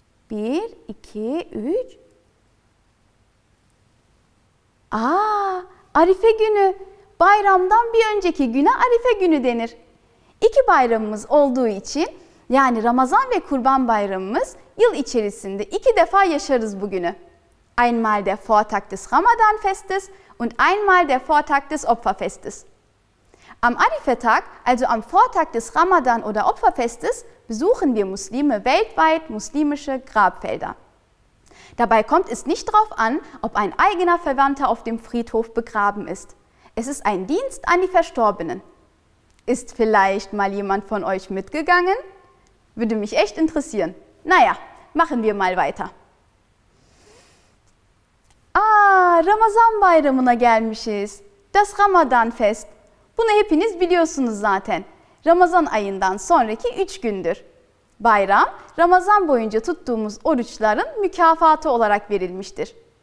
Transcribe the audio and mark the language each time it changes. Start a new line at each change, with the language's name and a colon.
Turkish: 1, 2, 3. Arife günü. Bayramdan bir önceki güne Arife günü denir. İki bayramımız olduğu için yani Ramazan ve Kurban bayramımız yıl içerisinde iki defa yaşarız bugünü.
German: Einmal der Vortag des Ramadanfestes und einmal der Vortag des Opferfestes. Am Arife-Tag, also am Vortag des Ramadan oder Opferfestes, besuchen wir Muslime weltweit muslimische Grabfelder. Dabei kommt es nicht darauf an, ob ein eigener Verwandter auf dem Friedhof begraben ist. Es ist ein Dienst an die Verstorbenen. Ist vielleicht mal jemand von euch mitgegangen? Würde mich echt interessieren. Naja, machen wir mal weiter.
Turkish: Ramazan bayramına gelmişiz.
German: Das Ramadan Fest.
Turkish: Bunu hepiniz biliyorsunuz zaten. Ramazan ayından sonraki 3 gündür. Bayram, Ramazan boyunca tuttuğumuz oruçların mükafatı olarak verilmiştir.